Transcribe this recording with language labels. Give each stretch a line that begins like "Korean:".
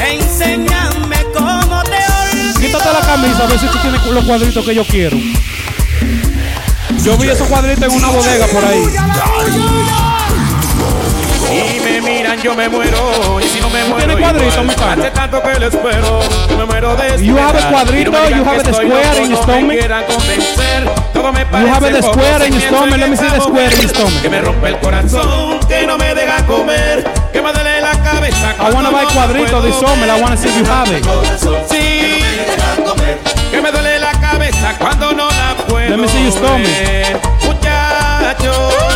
Spanish: enséñame cómo te olvido. Quítate la camisa, a ver si tú tienes los cuadritos que yo quiero. Yo vi esos cuadritos en una bodega por ahí. Miran, yo me muero, y si no me muero, tiene cuadrito, me cago. Hace tanto que lo espero, me muero de esperar.
English: You have a cuadrito, you have the square in your stomach.
Spanish: Todo me parece
English: you have the square in your stomach, let me see the square in your stomach.
Spanish: Que me rompe el corazón, que no me deja comer, que me duele la cabeza.
English: I wanna buy no cuadrito de stomach, I wanna see if you have it.
Spanish: Corazón, sí, que me duele la cabeza cuando no la puedo.
English: Let me see your stomach.
Spanish: Muchachos.